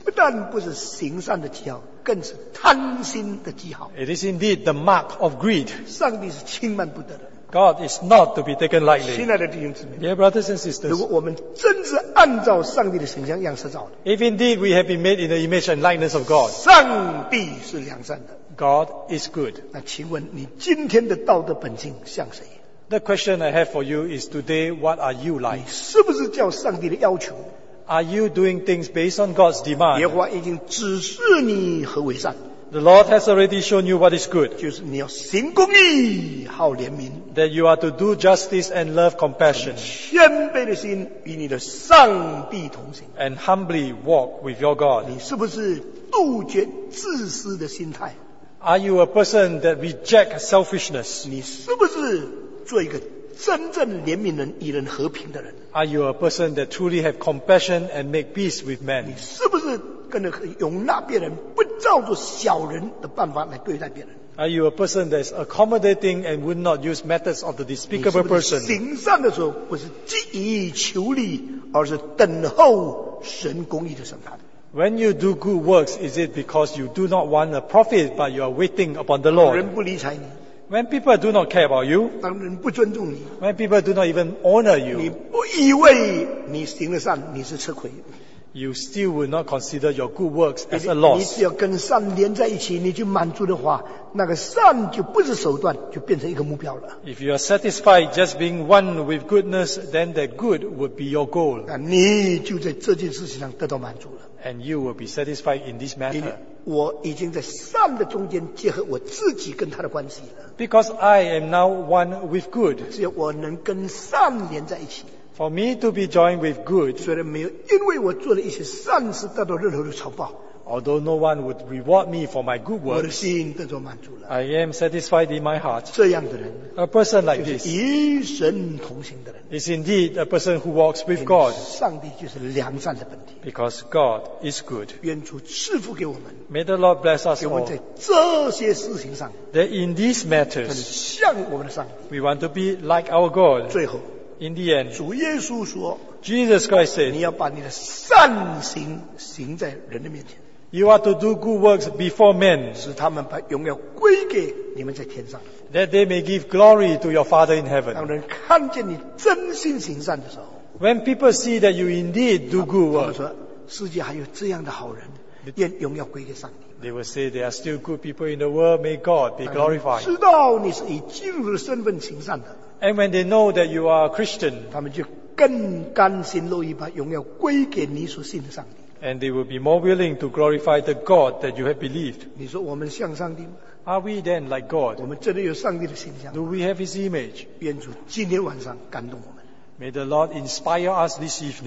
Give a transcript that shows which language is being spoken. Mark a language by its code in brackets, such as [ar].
[zh] 不但不是行善的记号，更是贪心的记号。 [en] It is indeed the mark of greed. [zh] 上帝是轻慢不得的。 [en] God is not to be taken lightly. [zh] 亲爱的弟兄姊妹 [en] ，Dear brothers and sisters, [zh] 如果我们真是按照上帝的形象样式造的 [en] ，If indeed we have been made in the image and likeness of God, [zh] 上帝是良善的。 [en] God is good. [zh] 那请问你今天的道德本性像谁 [en] ？The question I have for you is today, what are you like? [zh] 你是不是叫上帝的要求 [en] ？Are you doing things based on God's demand? [zh] 耶和华已经指示你何为善。 [en] The Lord has already shown you what is good. [zh] 就是你要行公义，好怜悯。 [en] That you are to do justice and love compassion. [zh] 谦卑的心与你的上帝同行。 [en] And humbly walk with your God. [zh] 你是不是杜绝自私的心态？ [en] Are you a person that rejects selfishness? [zh] 你是不是做一个真正怜悯人、与人和平的人 [en] ？Are you a person that truly have compassion and make peace with men? [zh] 你是不是跟着容纳别人，不照着小人的办法来对待别人 [en] ？Are you a person that is accommodating and would not use methods of the despicable person? [zh] 你是不是行善的时候不是急于求利，而是等候神公义的审判？ [en] When you do good works, is it because you do not want a profit, but you are waiting upon the Lord? [zh] 人不理睬你。 [en] When people do not care about you, [zh] 当人不尊重你。 [en] When people do not even honor you, [zh] 你不以为你行了善，你是吃亏。 [en] You still will not consider your good works as a loss. [zh] 你只要跟善连在一起，你就满足的话，那个善就不是手段，就变成一个目标了。 [en] If you are satisfied just being one with goodness, then that good would be your goal. [zh] 那你就在这件事情上得到满足了。 [en] And you will be satisfied in this matter. [zh] 我已经在善的中间结合我自己跟他的关系了。 [en] Because I am now one with good. [zh] 只要我能跟善连在一起。 [en] For me to be joined with good. [zh] 虽然没有因为我做了一些善事得到任何的酬报。 [en] Although no one would reward me for my good works. [zh] 我的心得到满足了。 [en] I am satisfied in my heart. [zh] 这样的人。 [en] A person like this. [zh] 就是与神同行的人。 [en] Is indeed a person who walks with God. [zh] 上帝就是良善的本体。 [en] Because God is good. [zh] 愿主赐福给我们。 [en] May the Lord bless us all. [zh] 给我们在这些事情上。 [en] That in these matters. [zh] 很像我们的上帝。 [en] We want to be like our God. [zh] 最后。 [en] In the end, [zh] 主耶稣说 [en] ，Jesus Christ said, [zh] 你要把你的善行行在人的面前。 [en] You are to do good works before men, [zh] 使他们把荣耀归给你们在天上。 [en] That they may give glory to your Father in heaven. [zh] 当人看见你真心行善的时候 [en] ，When people see that you indeed do good works, [zh] 他们说世界还有这样的好人，愿荣耀归给上帝。 [en] They will say there are still good people in the world. May God be glorified. [zh] 知道你是以基督的身份行善的, [en] and when they know that you are a Christian, [zh] 他们就更甘心乐意把荣耀归给你所信的上帝。 [en] And they will be more willing to glorify the God that you have believed. [zh] 你说我们像上帝吗? [en] Are we then like God? [zh] 我们真的有上帝的形象吗? [en] Do we have His image? [zh] 愿主今天晚上感动我们。 [en] May the Lord inspire us this evening.